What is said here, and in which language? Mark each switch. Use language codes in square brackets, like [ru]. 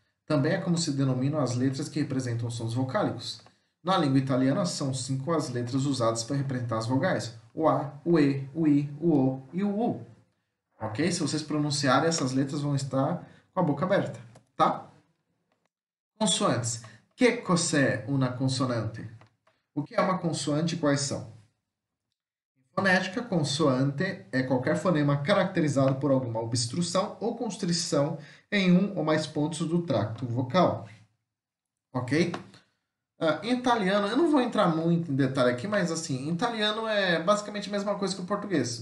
[pt] Também é como se denominam as letras que representam sons vocálicos. Na língua italiana, são cinco as letras usadas para representar as vogais: o A, o E, o I, o O e o U. Ok? Se vocês pronunciarem, essas letras vão estar com a boca aberta, tá? Consoantes. [it] Che cos'è una consonante? [pt] O que é uma consoante e quais são? Fonética, consoante é qualquer fonema caracterizado por alguma obstrução ou constrição em um ou mais pontos do tracto vocal. Ok? Em italiano, eu não vou entrar muito em detalhe aqui, mas assim, italiano é basicamente a mesma coisa que o português.